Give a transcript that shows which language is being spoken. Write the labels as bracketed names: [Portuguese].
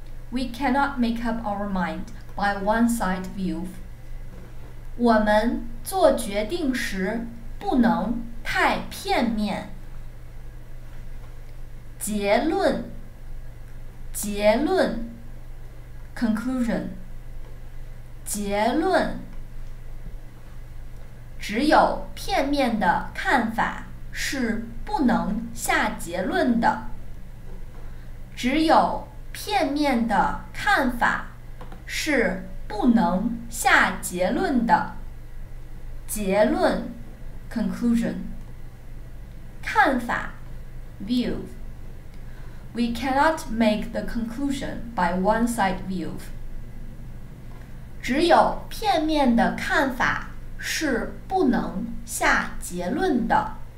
[English] We cannot make up our mind by one side view。 [Chinese] 我们做决定时不能太片面。结论，结论 ， [English] conclusion， [Chinese] 结论。只有片面的看法是不能下结论的。只有片面的看法是不能下结论的。结论 ， [English] conclusion， [Chinese] 看法 ， [English] view。 We cannot make the conclusion by one side view. [Chinese] 只有片面的看法是不能下结论的。